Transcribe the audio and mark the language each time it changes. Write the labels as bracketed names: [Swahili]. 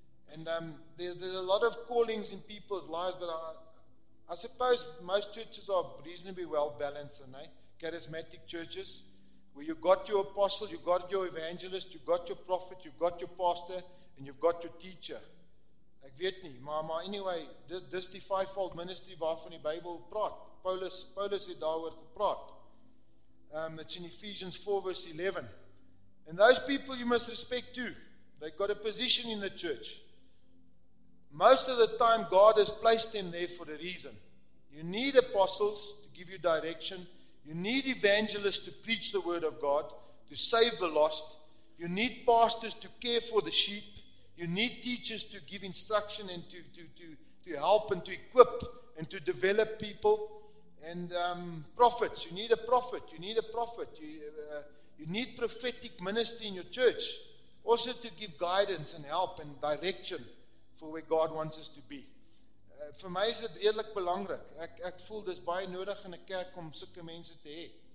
[English] And there's a lot of callings in people's lives, but I suppose most churches are reasonably well balanced, and charismatic churches, where you've got your apostle, you've got your evangelist, you've got your prophet, you've got your pastor, and you've got your teacher. [Afrikaans] Ek weet nie, maar anyway, dis die fivefold ministry waarvan die Bybel praat. Paulus het daar oor gepraat. [English] It's in Ephesians 4 verse 11. And those people you must respect too. They've got a position in the church. Most of the time God has placed them there for a reason. You need apostles to give you direction. You need evangelists to preach the word of God, to save the lost. You need pastors to care for the sheep. You need teachers to give instruction and to help and to equip and to develop people. And prophets, you need a prophet. You need a prophet. You need prophetic ministry in your church. Also to give guidance and help and direction for where God wants us to be. [Afrikaans] Vir my is dit redelik belangrik. Ek voel dis baie nodig in 'n kerk om sulke mense te hê.